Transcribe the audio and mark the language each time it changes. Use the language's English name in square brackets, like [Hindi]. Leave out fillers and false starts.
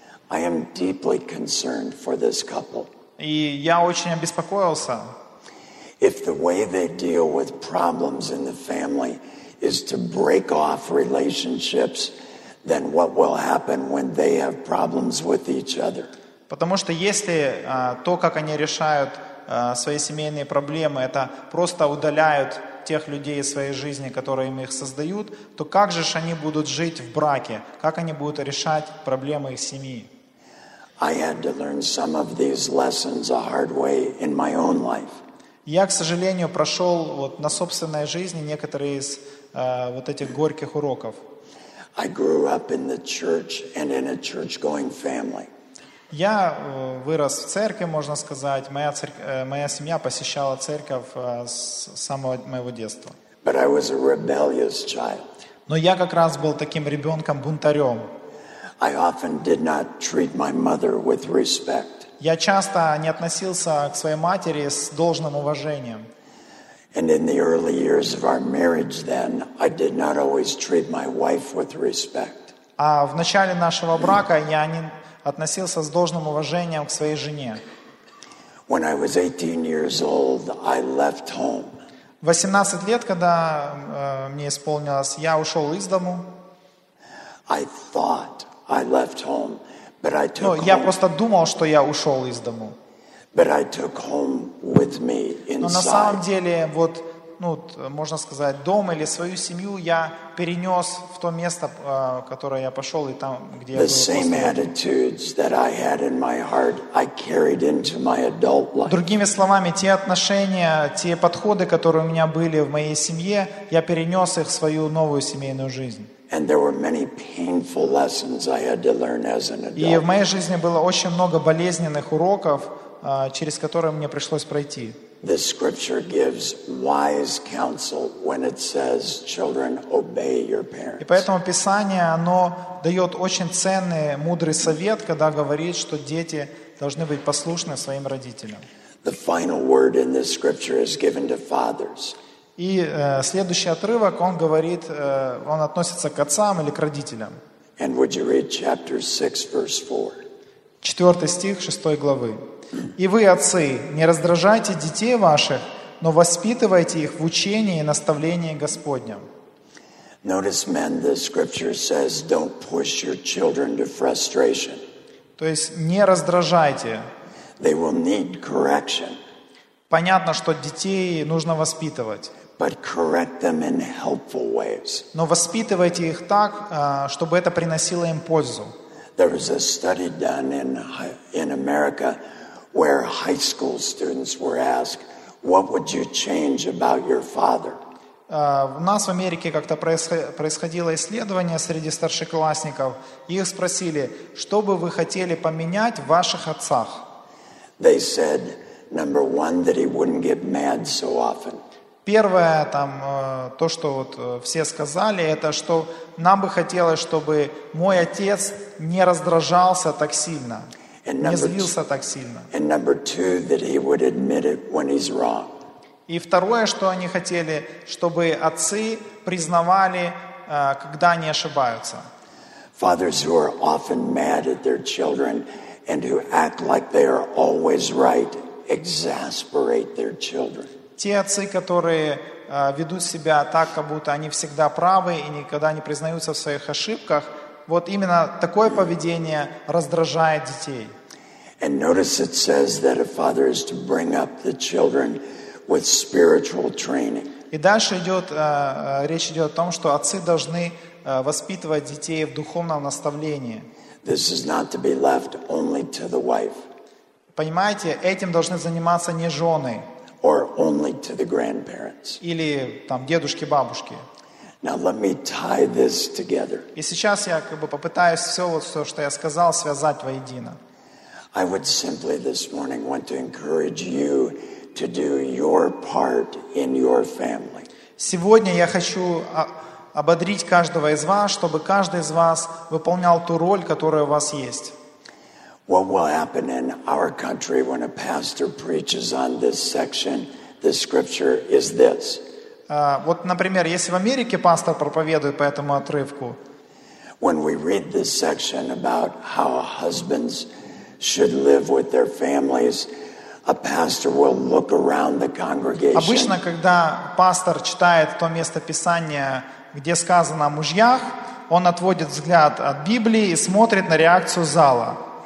[English] I am deeply concerned for this couple. [Russian] И я очень обеспокоился. [English] If the way they deal with problems in the family is to break off relationships, then what will happen when they have problems with each other? [Russian] Потому что если то, как они решают свои семейные проблемы, это просто удаляют тех людей из своей жизни, которые им их создают, то как же ж они будут жить в браке? Как они будут решать проблемы их семьи? [English] I had to learn some of these lessons a hard way in my own life. [Russian] Я, к сожалению, прошел вот на собственной жизни некоторые из вот этих горьких уроков. [English] I grew up in the church and in a church-going family. [Russian] Я вырос в церкви, можно сказать. Моя семья посещала церковь с самого моего детства. [English] But I was a rebellious child. [Russian] Но я как раз был таким ребенком-бунтарем. [English] I often did not treat my mother with respect. [Russian] Я часто не относился к своей матери с должным уважением. [English] And in the early years of our marriage then, I did not always treat my wife with respect. [Russian] А в начале нашего брака я не относился с должным уважением к своей жене. [English] When I was 18 years old, I left home. [Russian] 18 лет, когда мне исполнилось, я ушел из дому. [English] I thought I left home, but I took. [Russian] Я просто думал, что я ушел из дому. [English] But I took home with me inside. [Russian] Но на самом деле, вот, ну, можно сказать, дом или свою семью я перенес в то место, которое я пошел и там, где the я был. [English] The same attitudes that I had in my heart, I carried into my adult life. [Russian] Другими словами, те отношения, те подходы, которые у меня были в моей семье, я перенес их в свою новую семейную жизнь. [English] And there were many painful lessons I had to learn as an adult. [Russian] И в моей жизни было очень много болезненных уроков, через которые мне пришлось пройти. [English] The scripture gives wise counsel when it says, "Children, obey your parents." [Russian] И поэтому Писание оно дает очень ценный мудрый совет, когда говорит, что дети должны быть послушны своим родителям. [English] The final word in this scripture is given to fathers. [Russian] И следующий отрывок, он говорит, он относится к отцам или к родителям. [English] And would you read chapter 6, verse 4? [Russian] 4 стих 6 главы. «И вы, отцы, не раздражайте детей ваших, но воспитывайте их в учении и наставлении Господнем». [English] Notice, men, the scripture says, don't push your children to frustration. [Russian] То есть не раздражайте. [English] They will need correction. [Russian] Понятно, что детей нужно воспитывать. [English] But correct them in helpful ways. [Russian] Но воспитывайте их так, чтобы это приносило им пользу. [English] There was a study done in America where high school students were asked, "What would you change about your father?" [Russian] У нас в Америке как-то происходило исследование среди старшеклассников. Их спросили, что бы вы хотели поменять в ваших отцах. [English] They said, number one, that he wouldn't get mad so often. [Russian] Первое, там, то, что вот все сказали, это что нам бы хотелось, чтобы мой отец не раздражался так сильно, не злился так сильно. [English] And number two, that he would admit it when he's wrong. [Russian] И второе, что они хотели, чтобы отцы признавали, когда они ошибаются. [English] Fathers who are often mad at their children and who act like they are always right exasperate their children. [Russian] Те отцы, которые ведут себя так, как будто они всегда правы и никогда не признаются в своих ошибках, вот именно такое поведение раздражает детей. [English] And notice it says that a father is to bring up the children with spiritual training. [Russian] И дальше идет, речь идет о том, что отцы должны воспитывать детей в духовном наставлении. [English] This is not to be left only to the wife. [Russian] Понимаете, этим должны заниматься не жены. [English] Or only to the grandparents. [Russian] Или там дедушки, бабушки. [English] Now let me tie this together. [Russian] И сейчас я как бы попытаюсь все вот все, что я сказал, связать воедино. [English] I would simply this morning want to encourage you to do your part in your family. [Russian] Сегодня я хочу ободрить каждого из вас, чтобы каждый из вас выполнял ту роль, которая у вас есть. [English] What will happen in our country when a pastor preaches on this section, this scripture is this. [Russian] Вот, например, если в Америке пастор проповедует по этому отрывку. [English] When we read this section about how husbands should live with their families, a pastor will look around the congregation. [Russian] Обычно, когда пастор читает то место Писания, где сказано о мужьях, он отводит взгляд от Библии и смотрит на реакцию зала.